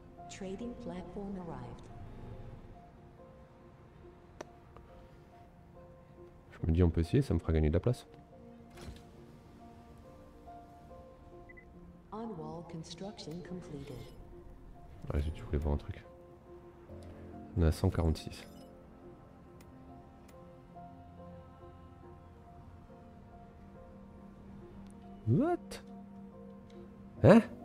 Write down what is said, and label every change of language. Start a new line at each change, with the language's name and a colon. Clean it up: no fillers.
English: Trading platform arrived.
French: Je me dis on peut essayer, ça me fera gagner de la place.
English: On wall construction completed.
French: Ouais, je voulais voir un truc. On a 146.
English: What?
French: Hein?